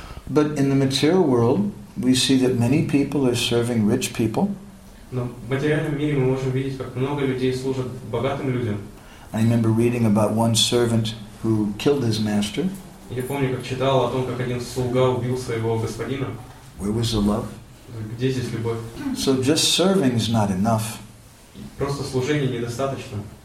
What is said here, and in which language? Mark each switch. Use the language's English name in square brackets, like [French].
[English] But in the material world, we see that many people are serving rich people. [Russian] Но в материальном мире мы можем видеть, как много людей служат богатым людям. [English] I remember reading about one servant who killed his master. [Russian] Я помню, как читал о том, как один слуга убил своего господина. [English] Where was the love? [Russian] Где здесь любовь? [English] So just serving is not enough. [Russian] Просто служение недостаточно.